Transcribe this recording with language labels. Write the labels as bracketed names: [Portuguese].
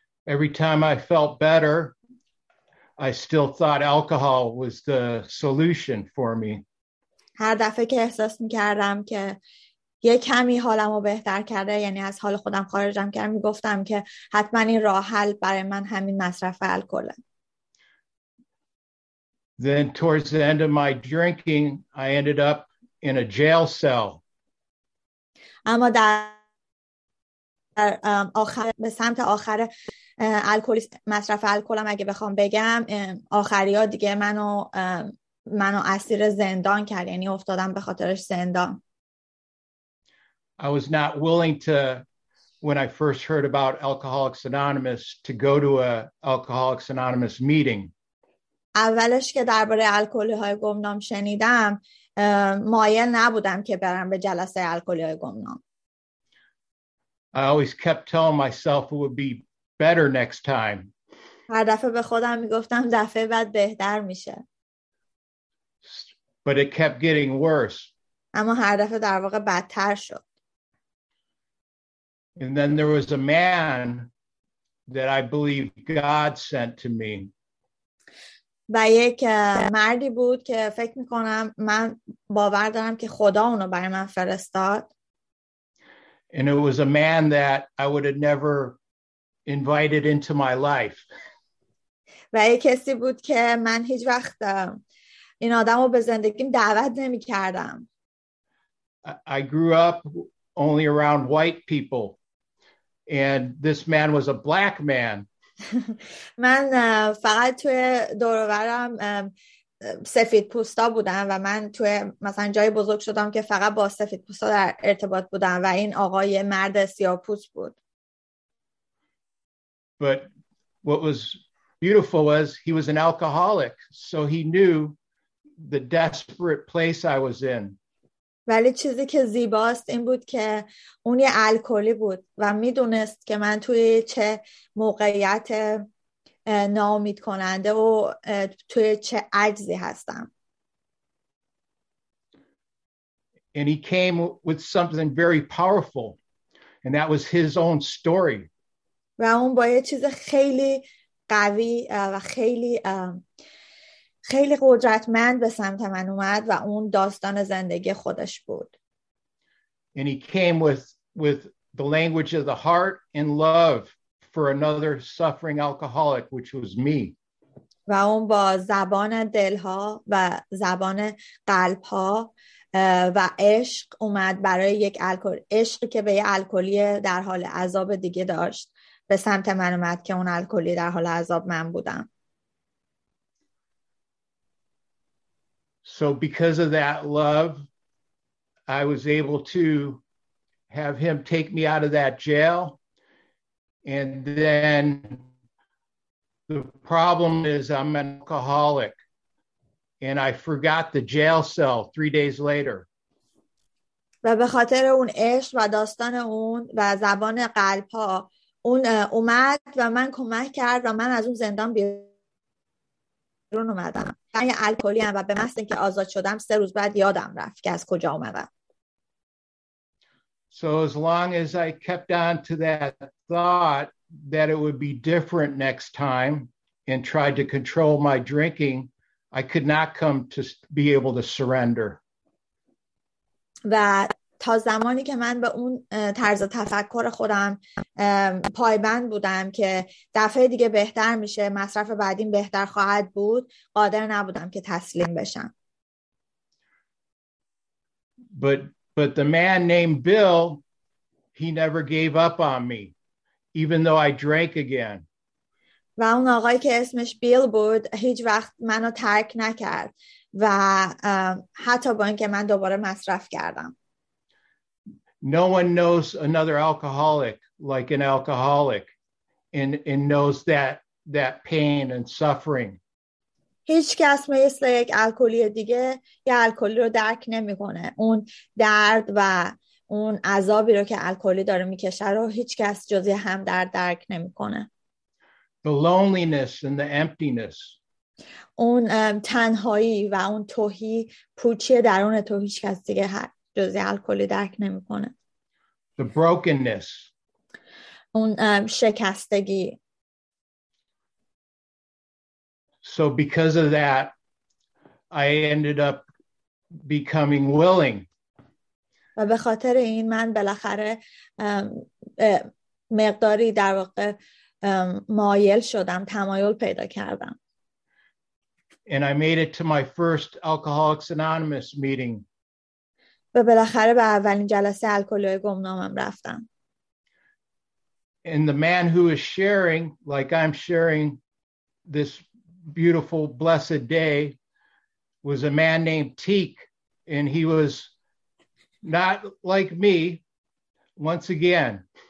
[English] Every time I felt better, I still thought alcohol was the solution for me. [Persian] هر دفعه که احساس میکردم که یه کمی حالمو بهتر کرده، یعنی از حال خودم خارجم کرد، میگفتم که حتما این راه حل برای من همین مصرف الکله. [English] Then towards the end of my drinking, I ended up in a jail cell. [Persian] اما در آخر به سمت آخر مصرف الکلم اگه بخوام بگم آخریا دیگه منو اسیر زندان کرد، یعنی افتادم به خاطرش زندان. [English] I was not willing to, when I first heard about Alcoholics Anonymous, to go to a Alcoholics Anonymous meeting. [Persian] اولش که درباره الکلی های گمنام شنیدم مایل نبودم که برم به جلسه الکلی های گمنام. [English] I always kept telling myself it would be better next time. [Persian] هر دفعه به خودم میگفتم دفعه بعد بهتر میشه. [English] But it kept getting worse. [Persian] اما هر دفعه در واقع بدتر شد. [English] And then there was a man that I believe God sent to me. [Persian] و یک مردی بود که فکر میکنم من باور دارم که خدا اونو برای من فرستاد. [English] And it was a man that I would have never invited into my life. [Persian] و یه کسی بود که من هیچ وقت این آدم رو به زندگیم دعوت نمی کردم. [English] I grew up only around white people. And this man was a black man. [Persian] من فقط توی دور و برم سفید پوستا بودم و من توی مثلا جای بزرگ شدم که فقط با سفید پوستا در ارتباط بودم و این آقای مرد سیاه پوست بود. [English] But what was beautiful was he was an alcoholic, so he knew the desperate place I was in. [Persian] ولی چیزی که زیباست این بود که اون یه الکلی بود و میدونست که من توی چه موقعیت ناامید کننده و توی چه عجزی هستم. [English] And he came with something very powerful, and that was his own story. [Persian] و اون با یه چیز خیلی قوی و خیلی خیلی قدرتمند به سمت من اومد و اون داستان زندگی خودش بود. [English] And he came with the language of the heart and love for another suffering alcoholic, which was me. [Persian] و اون با زبان دلها و زبان قلبها و عشق اومد برای یک الکل، عشقی که به یک الکلی در حال عذاب دیگه داشت به سمت من اومد که اون الکلی در حال عذاب من بودم. [English] So because of that love, I was able to have him take me out of that jail. And then the problem is I'm an alcoholic. And I forgot the jail cell 3 days later. [Persian] و به خاطر اون عشق و داستان اون و زبان قلب ها اون اومد و من کمک کرد و من از اون زندان بیرون اومدم. من یه الکلی هم و به محض اینکه آزاد شدم 3 روز بعد یادم رفت که از کجا اومدم. [English] So as long as I kept on to that thought that it would be different next time and tried to control my drinking, I could not come to be able to surrender. [Persian] و تا زمانی که من به اون طرز تفکر خودم پایبند بودم که دفعه دیگه بهتر میشه، مصرف بعدیم بهتر خواهد بود، قادر نبودم که تسلیم بشم. [English] But the man named Bill, he never gave up on me, even though I drank again. [Persian] و اون آقایی که اسمش بیل بود هیچ وقت منو ترک نکرد و حتی با اینکه من دوباره مصرف کردم. [English] No one knows another alcoholic like an alcoholic and knows that pain and suffering. [Persian] هیچ کس مثل یک الکلی دیگه یه الکلی رو درک نمی‌کنه. اون درد و اون عذابی رو که الکلی داره می‌کشه رو هیچ کس جز هم درک نمی‌کنه. [English] The loneliness and the emptiness. [Persian] اون تنهایی و اون توهی پوچی درون تو هیچ کس دیگه جز الکلی درک نمی‌کنه. [English] The brokenness. [Persian] اون شکستگی. [English] So because of that, I ended up becoming willing. [Persian] و به خاطر این من بالاخره مقداری در واقع مایل شدم، تمایل پیدا کردم. [English] And I made it to my first Alcoholics Anonymous meeting. [Persian] و بالاخره به اولین جلسه الکلی گمنامم رفتم. [English] And the man who is sharing, like I'm sharing this beautiful blessed day, was a man named Teek, and he was not like me once again.